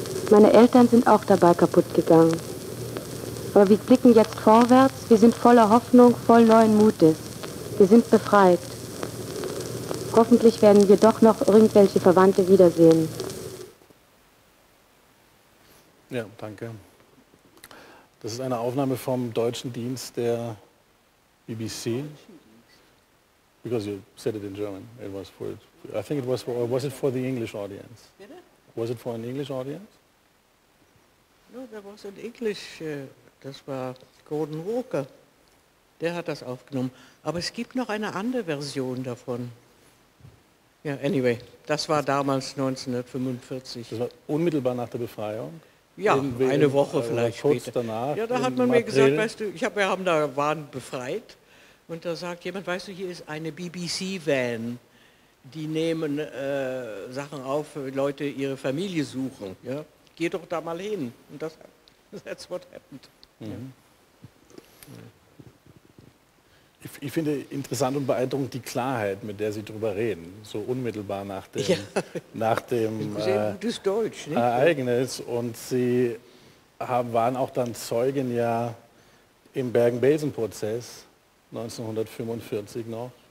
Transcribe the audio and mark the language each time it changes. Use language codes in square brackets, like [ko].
[de] Meine Eltern sind auch dabei kaputt gegangen. Aber wir blicken jetzt vorwärts, wir sind voller Hoffnung, voll neuen Mutes. Wir sind befreit. Hoffentlich werden wir doch noch irgendwelche Verwandte wiedersehen. Ja, danke. Das ist eine Aufnahme vom deutschen Dienst der BBC. [en] Because you said it in German. It was for, I think it was for, or was it for the English audience? Was it for an English audience? [de] No, da war so ein Englisch, das war Gordon Walker, der hat das aufgenommen. Aber es gibt noch eine andere Version davon. Ja, [en] yeah, anyway, [de] das war damals 1945. Das war unmittelbar nach der Befreiung? Ja, eine Woche vielleicht kurz später. Danach. Ja, da hat man mir gesagt, weißt du, wir waren befreit. Und da sagt jemand, weißt du, hier ist eine BBC-Van, die nehmen Sachen auf, wenn Leute ihre Familie suchen. Ja? Geh doch da mal hin. Und das, [en] that's what happened. [de] Mhm. Ja. Ich finde interessant und beeindruckend die Klarheit, mit der Sie darüber reden, so unmittelbar nach dem, ja. nach dem gutes Deutsch, nicht? Ereignis. Und Sie waren auch dann Zeugen ja im Bergen-Belsen-Prozess 1945 noch,